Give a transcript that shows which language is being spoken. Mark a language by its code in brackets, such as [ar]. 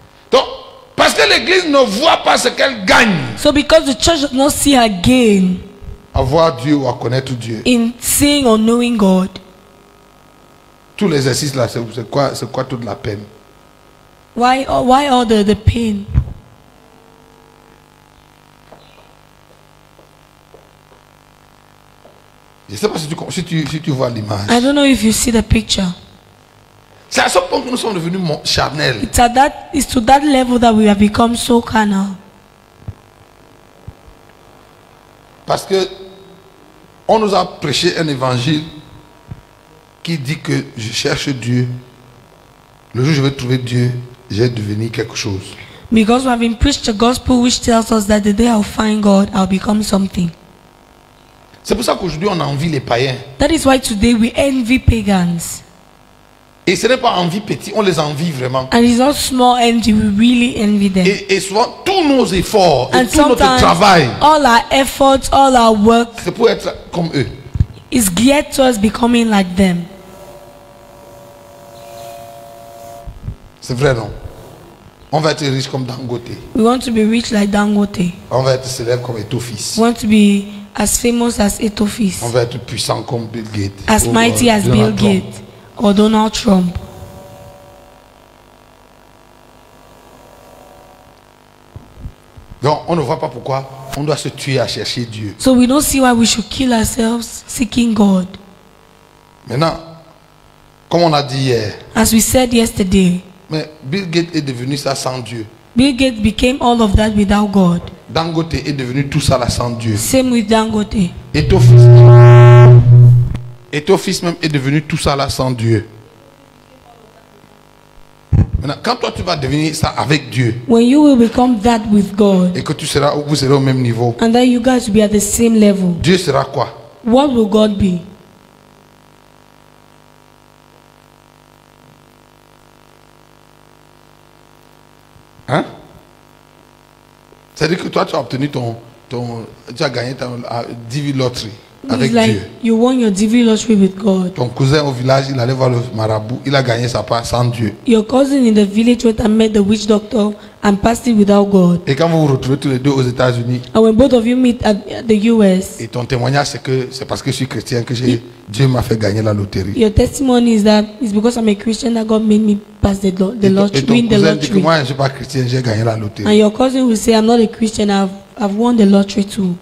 [fr] Donc, parce que l'église ne voit pas ce qu'elle gagne. [en] So because the church does not see her gain. [fr] À voir Dieu ou à connaître Dieu. [en] In seeing or knowing God. [fr] Tout l'exercice là, c'est quoi toute la peine? [en] Why all the pain? [fr] Je ne sais pas si tu vois l'image. [en] I don't know if you see the picture. [fr] C'est à ce point que nous sommes devenus charnels. [en] It's to that level that we have become so carnal. [fr] Parce que on nous a prêché un évangile qui dit que je cherche Dieu. Le jour où je vais trouver Dieu, je vais devenir quelque chose. [en] Because we have been preached a gospel which tells us that the day I'll find God, I'll become something. [fr] C'est pour ça qu'aujourd'hui on envie les païens. [en] That is why today we envy pagans. [fr] Et ce n'est pas envie petite, on les envie vraiment. [en] And it's not small envy, we really envy them. [fr] Et souvent tous nos efforts [en] and [fr] et tout [en] sometimes, [fr] notre travail. [en] All our efforts, all our work. [fr] C'est pour être comme eux. [en] Is geared towards becoming like them. [fr] C'est vrai, non? On va être riche comme Dangote. [en] We want to be rich like Dangote. [fr] On va être célèbre comme Etofis. [en] We want to be as famous as Etofis. [fr] On va être puissant comme Bill Gates. [en] As mighty as Bill Gates or Donald Trump. [fr] Donc, on ne voit pas pourquoi on doit se tuer à chercher Dieu. [en] So we don't see why we should kill ourselves seeking God. [fr] Maintenant, comme on a dit hier. [en] As we said yesterday. [fr] Mais Bill Gates est devenu ça sans Dieu. [en] Bill Gates became all of that without God. [fr] Dangote est devenu tout ça là sans Dieu. [en] Same with Dangote. [fr] Etofis même est devenu tout ça là sans Dieu. Maintenant, quand toi tu vas devenir ça avec Dieu. [en] When you will become that with God. [fr] Et que tu seras, vous serez au même niveau. [en] And that you guys will be at the same level. [fr] Dieu sera quoi? [en] What will God be? Hein? [fr] C'est-à-dire que toi tu as obtenu tu as gagné ton divi lottery avec [en] like [fr] Dieu. [en] You won your divi lottery with God. [fr] Ton cousin au village, il allait voir le marabout, il a gagné sa part sans Dieu. [en] Your cousin in the village went and met the witch doctor and passed it without God. [fr] Et quand vous vous retrouvez tous les deux aux États-Unis. [en] And when both of you meet at the US. [fr] Et ton témoignage c'est que c'est parce que je suis chrétien que j'ai Dieu m'a fait gagner la loterie. [en] Your testimony is that it's because I'm a Christian that God made me pass the lottery, win the lottery. [fr] Et ton cousin dit que moi je suis pas chrétien, j'ai gagné la loterie. [en] And your cousin will say I'm not a Christian, I've won the lottery too.